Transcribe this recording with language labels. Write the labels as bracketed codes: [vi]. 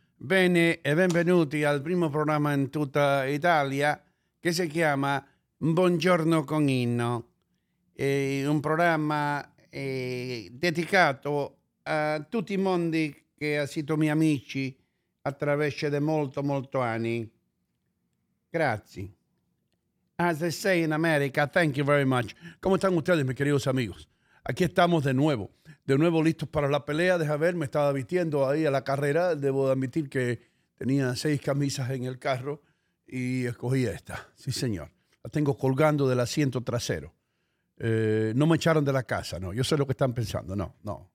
[it] Bene e benvenuti al primo programma in tutta Italia che si chiama Buongiorno con Inno. È un programma dedicato a tutti i mondi che ha sito miei amici attraverso de molto, molto anni. Grazie. [en] As they say in America, thank you very much. [es] ¿Cómo están ustedes, mis queridos amigos? Aquí estamos de nuevo. De nuevo listos para la pelea. Deja ver, me estaba vistiendo ahí a la carrera. Debo admitir que tenía 6 camisas en el carro y escogí esta. Sí, señor. La tengo colgando del asiento trasero. No me echaron de la casa, no. Yo sé lo que están pensando. No, no.